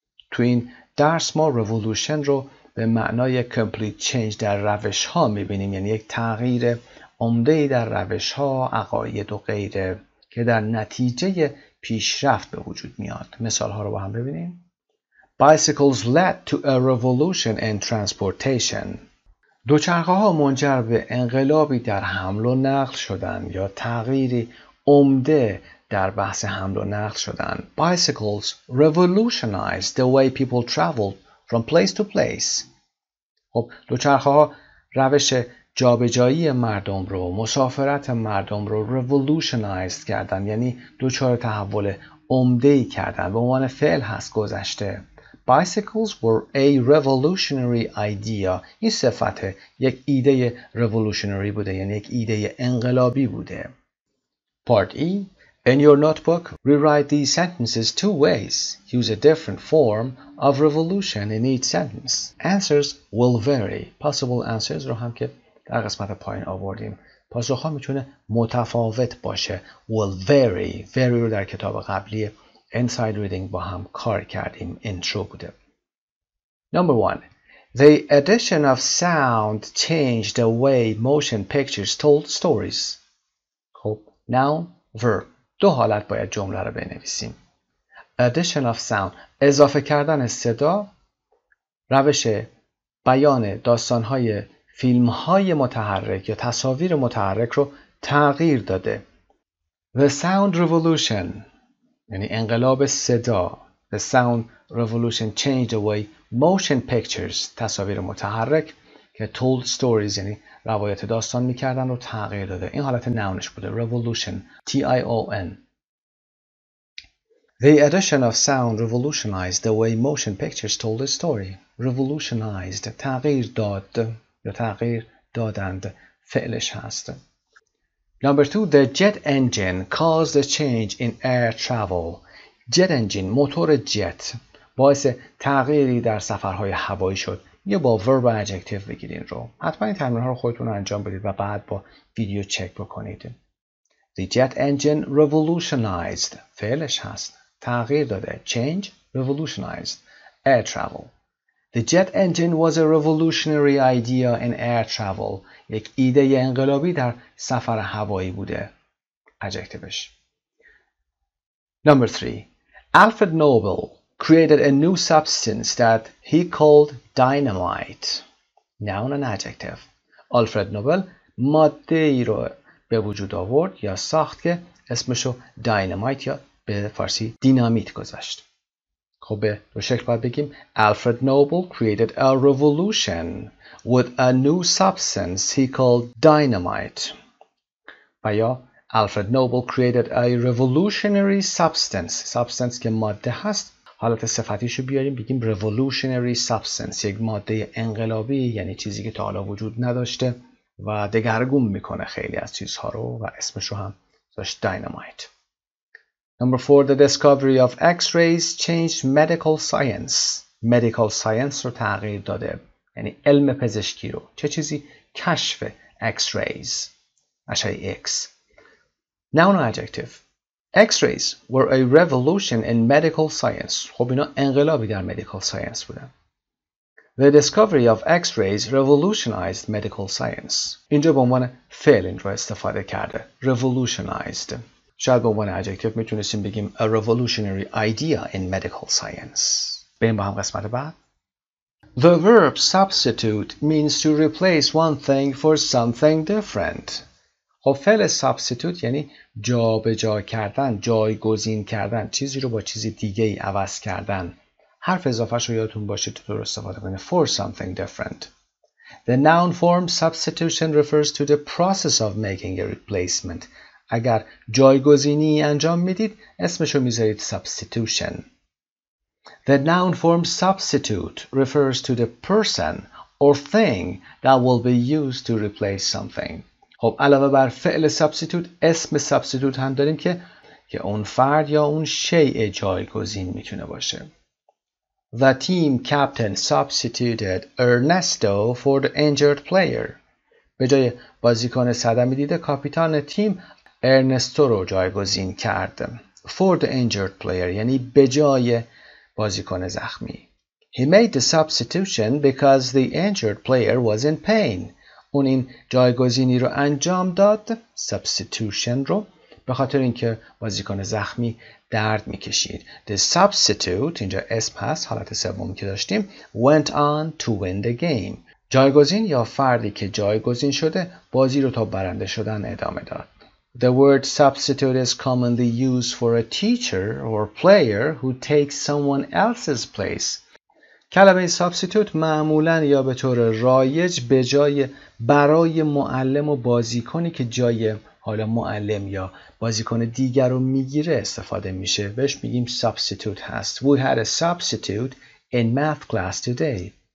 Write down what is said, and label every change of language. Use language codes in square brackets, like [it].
[fa] تو این درس ما revolution رو به معنای [en] complete change [fa] در روش ها میبینیم، یعنی یک تغییر عمده‌ای در روش ها، عقاید و غیره که در نتیجه پیشرفت به وجود میاد. مثال ها رو با هم ببینیم. [en] Bicycles led to a revolution in transportation. [fa] دوچرخه ها منجر به انقلابی در حمل و نقل شدن یا تغییری عمده در بحث حمل و نقل شدن. [en] Bicycles revolutionized the way people traveled from place to place. [fa] خب دوچرخه ها روش جابجایی مردم رو، مسافرت مردم رو revolutionized کردن، یعنی دوچار تحول عمده‌ای کردن. به عنوان فعل هست گذشته. [en] Bicycles were a revolutionary idea. [fa] این صفت یک ایده revolutionary بوده، یعنی یک ایده انقلابی بوده. [en] Part E. In your notebook, rewrite these sentences two ways. Use a different form of revolution in each sentence. Answers will vary. Possible answers [fa] رو هم که در قسمت پایین آوردیم. پاسخ ها میتونه متفاوت باشه. [en] Will vary. [fa] Vary رو در کتاب قبلی Inside Reading با هم کار کردیم. [en] Intro [fa] بوده. [en] Number one. The addition of sound changed the way motion pictures told stories. خب. Noun, verb. [fa] دو حالت باید جمله رو بنویسیم. [en] Addition of sound، [fa] اضافه کردن صدا، روش بیان داستان‌های فیلم‌های متحرک یا تصاویر متحرک رو تغییر داده. [en] The sound revolution [fa] یعنی انقلاب صدا. [en] The sound revolution changed the way motion pictures، [fa] تصاویر متحرک که [en] told stories [fa] یعنی روایت داستان میکردن رو تغییر داده. این حالت نونش بوده. [en] Revolution. T-I-O-N. The addition of sound revolutionized the way motion pictures told a story. [fa] Revolutionized. تغییر داد. یا تغییر دادند. فعلش هست. [en] Number two. The jet engine caused a change in air travel. Jet engine. [fa] موتور جت. باعث تغییری در سفرهای هوایی شد. یا با verb و adjective بگیرین رو. حتما این تمرین ها رو خودتون انجام بدید و بعد با ویدیو چک بکنید. [en] The jet engine revolutionized. فعلش هست. تغییر داده. Change revolutionized. Air travel. The jet engine was a revolutionary idea in air travel. [fa] یک ایده انقلابی در سفر هوایی بوده. [en] Adjectiveش. Number 3. Alfred Nobel created a new substance that he called dynamite. Noun and adjective. [fa] Alfred Nobel ماده ای رو به وجود آورد یا ساخت که اسمشو dynamite یا به فارسی دینامیت گذاشت. خب به دو شکل باید بگیم [en] Alfred Nobel created a revolution with a new substance he called dynamite. [fa] و یا [en] Alfred Nobel created a revolutionary substance. [fa] Substance که ماده هست. حالت صفتیشو بیاریم بگیم [en] revolutionary substance. [fa] یک ماده انقلابی، یعنی چیزی که تا حالا وجود نداشته و دگرگون میکنه خیلی از چیزها رو، و اسمشو هم داشت dynamite. [en] Number 4, the discovery of X-rays changed medical science. [fa] Medical science رو تغییر داده، یعنی علم پزشکی رو. چه چیزی؟ کشف X-rays. اشعه X. [en] Noun adjective. X-rays were a revolution in medical science. [fa] خب اینا انقلابی در [en] medical science [fa] بودن. [en] The discovery of X-rays revolutionized medical science. [fa] اینجا به عنوان فعل این رو استفاده کرده. [en] Revolutionized. [fa] شاید به عنوان adjective میتونستیم بگیم [en] a revolutionary idea in medical science. [fa] بریم با هم قسمت بعد. [en] The verb substitute means to replace one thing for something different. [fa] خب فعل substitute یعنی جا به جا کردن، جایگزین کردن، چیزی رو با چیزی دیگه ای عوض کردن. حرف اضافهش رو یادتون باشه تو دور استفاده کنید. [en] For something different. The noun form substitution refers to the process of making a replacement. [fa] اگر جایگزینی انجام میدید اسمشو میذارید substitution. [en] The noun form substitute refers to the person or thing that will be used to replace something. [fa] خب علاوه بر فعل substitute اسم substitute هم داریم که اون فرد یا اون شیء جایگزین میتونه باشه. [en] The team captain substituted Ernesto for the injured player. [fa] به جای بازیکن صدمه دیده کاپیتان تیم ارنستو رو جایگزین کرد. [en] For the injured player [fa] یعنی به جای بازیکن زخمی. [en] He made the substitution because the injured player was in pain. [fa] اون این جایگزینی رو انجام داد، substitution رو، به خاطر اینکه بازیکن زخمی درد میکشید. [en] The substitute [fa] اینجا اسم هست، حالت سومی که داشتیم، [en] went on to win the game. [fa] جایگزین یا فردی که جایگزین شده بازی رو تا برنده شدن ادامه داد. [en] The word substitute is commonly used for a teacher or player who takes someone else's place. [fa] کلمه substitute معمولاً یا به طور رایج به جای برای معلم و بازیکنی که جای حالا معلم یا بازیکن دیگر رو میگیره استفاده میشه. بهش میگیم substitute هست. [en] We had a substitute in math class today.